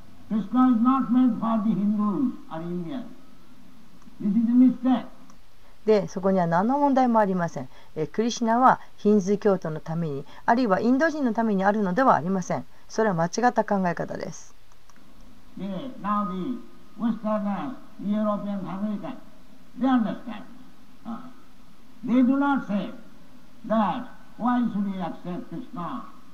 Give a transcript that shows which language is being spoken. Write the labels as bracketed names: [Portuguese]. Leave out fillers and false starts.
[English] Krishna is not meant for the Hindus or Indians. This is a mistake. [Japanese] で、そこには何の問題もありません。クリシナはヒンズー教徒のために、あるいはインド人のためにあるのではありません。それは間違った考え方です。 [English] で、now the Westerners, the Europeans, Americans, they understand. They do not say that why should we accept Krishna?